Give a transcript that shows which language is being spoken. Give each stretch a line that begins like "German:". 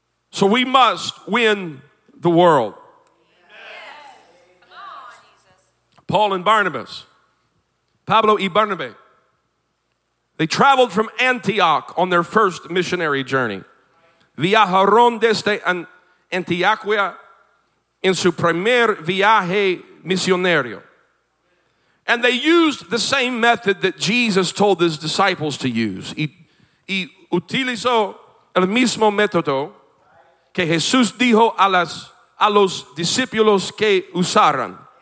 English: So we must win the world. Paul and Barnabas, Pablo y Bernabe, they traveled from Antioch on their first missionary journey.
Spanish: Viajaron desde Antioquia en su primer viaje misionario.
English: And they used the same method that Jesus told his disciples to use.
Spanish: Y utilizó el mismo método que Jesús dijo a los discípulos que usaran.